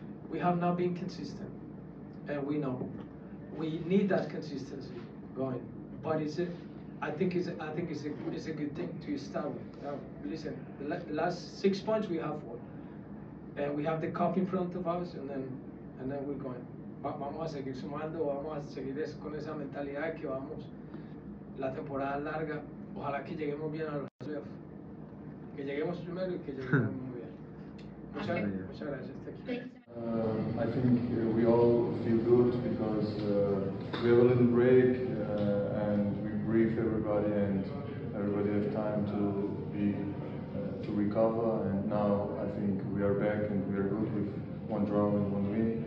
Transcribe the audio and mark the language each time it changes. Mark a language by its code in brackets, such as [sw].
[en] We have not been consistent, and we know. We need that consistency going. But I think it's a good thing to start with. Listen, the last 6 points we have 4. And we have the cup in front of us, and then we're going. [es] Vamos a seguir sumando, vamos a seguir con esa mentalidad que vamos. La temporada larga, ojalá que lleguemos bien a los playoffs. Que lleguemos primero y que lleguemos muy bien. Muchas gracias. [en] Thank you. I think we all feel good because we have a little break and we brief everybody, and everybody have time to be to recover. And now I think we are back and we are good with one draw and one win.